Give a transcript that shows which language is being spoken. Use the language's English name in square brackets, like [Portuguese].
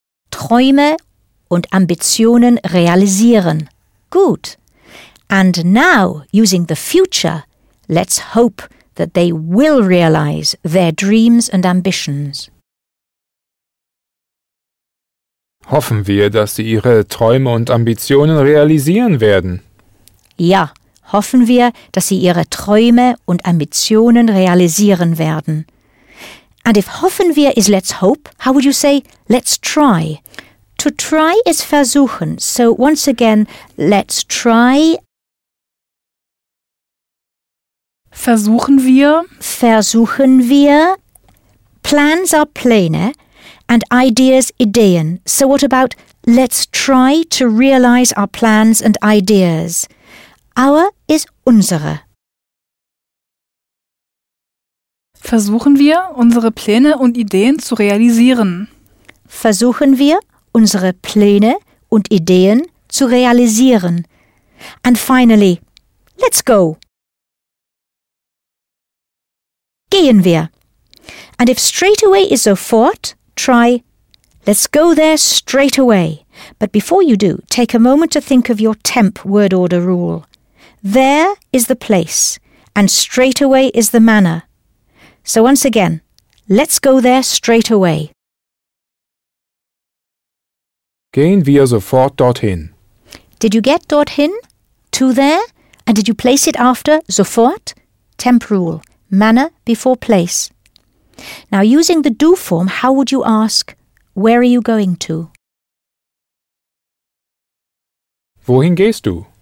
[German] Träume und Ambitionen realisieren. Gut. [English] And now, using the future, let's hope that they will realize their dreams and ambitions. [German] Hoffen wir, dass sie ihre Träume und Ambitionen realisieren werden. Ja, hoffen wir, dass sie ihre Träume und Ambitionen realisieren werden. [English] And if [German] hoffen wir [English] is let's hope, how would you say let's try? To try is versuchen. So once again, let's try. [German] Versuchen wir. [English] Plans are Pläne and ideas Ideen. So what about let's try to realize our plans and ideas? Our is unsere. [German] Versuchen wir, unsere Pläne und Ideen zu realisieren. Versuchen wir, unsere Pläne und Ideen zu realisieren. [English] And finally, let's go. [German] Gehen wir. [English] And if straight away is sofort, try let's go there straight away. But before you do, take a moment to think of your temp word order rule. There is the place, and straight away is the manner. So once again, let's go there straight away. [German] Gehen wir sofort dorthin. [English] Did you get dorthin? To there? And did you place it after sofort? Temp rule. Manner before place. Now, using the do form, how would you ask, where are you going to? [German] Wohin gehst du?